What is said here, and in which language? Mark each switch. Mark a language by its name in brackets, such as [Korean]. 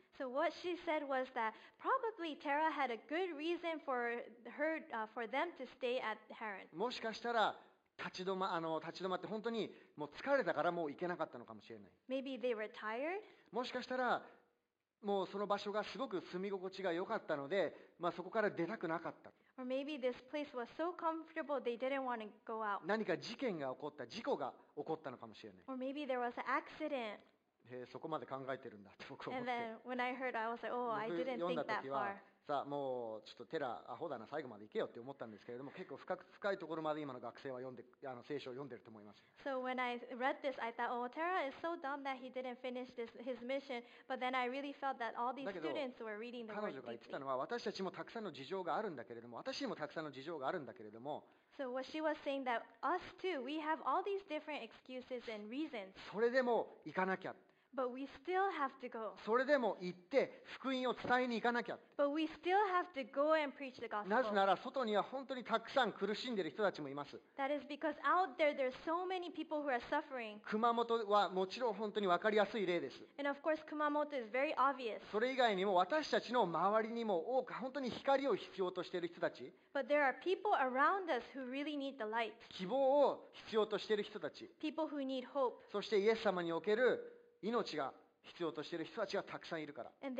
[English] So what she said was that probably Tara had a good reason for her, for them to stay at Haran. [Japanese] もしかしたら立ち止まって本当にもう疲れたからもう行けなかったのかもしれない。 [English] Maybe they were tired. [Japanese] もしかしたらもうその場所がすごく住み心地が良かったので、そこから出たくなかった。 [English] Or maybe this place was so comfortable they didn't want to go out. [Japanese] 何か事件が起こった、事故が起こったのかもしれない。 [English] Or maybe there was an accident. [Japanese] そこまで考えてるんだって僕思って。 [English] And then when I heard, I was like, oh, I didn't think that far. [Japanese] 読んだ時はさあもうちょっとテラアホだな最後まで行けよって思ったんですけれども、結構深いところまで今の学生は読んで聖書を読んでると思います。 [English] So when I read this, I thought, oh, Tara is so dumb that he didn't finish this his mission. But then I really felt that all these students were reading the word deeply. [Japanese] 彼女が言ってたのは私たちもたくさんの事情があるんだけれども、私にもたくさんの事情があるんだけれども。 [English] So what she was saying that us too, we have all these different excuses and reasons. [Japanese] それでも行かなきゃ。 [English] But we still have to go. [Japanese] それでも行って福音を伝えに行かなきゃ。 [English] But we still have to go and preach the gospel. [Japanese] なぜなら外には本当にたくさん苦しんでいる人たちもいます。 [English] That is because out there there are so many people who are suffering. [Japanese] 熊本はもちろん本当に分かりやすい例です。 [English] And of course, Kumamoto is very obvious. [Japanese] それ以外にも私たちの周りにも多く本当に光を必要としている人たち。 [English] But there are people around us who really need the light. [Japanese] 希望を必要としている人たち。 [English] People who need hope. [Japanese] そしてイエス様における命が必要としている人たちがたくさんいるから。